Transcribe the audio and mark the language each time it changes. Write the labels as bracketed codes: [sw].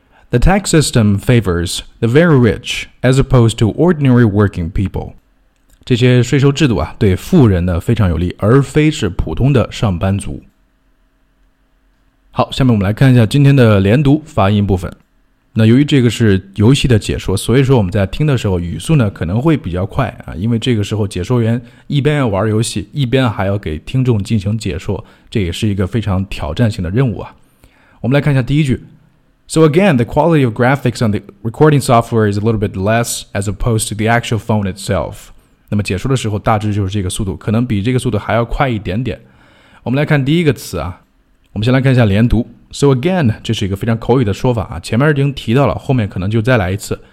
[en] The tax system favors the very rich as opposed to ordinary working people. [zh] 这些税收制度啊，对富人呢非常有利，而非是普通的上班族。好，下面我们来看一下今天的连读发音部分。那由于这个是游戏的解说，所以说我们在听的时候语速呢可能会比较快啊，因为这个时候解说员一边要玩游戏，一边还要给听众进行解说，这也是一个非常挑战性的任务啊。我们来看一下第一句。 [en] So again, the quality of graphics on the recording software is a little bit less as opposed to the actual phone itself. [zh] 那么解说的时候大致就是这个速度，可能比这个速度还要快一点点。我们来看第一个词啊，我们先来看一下连读。 [en] So again, [zh] 这是一个非常口语的说法啊，前面已经提到了，后面可能就再来一次。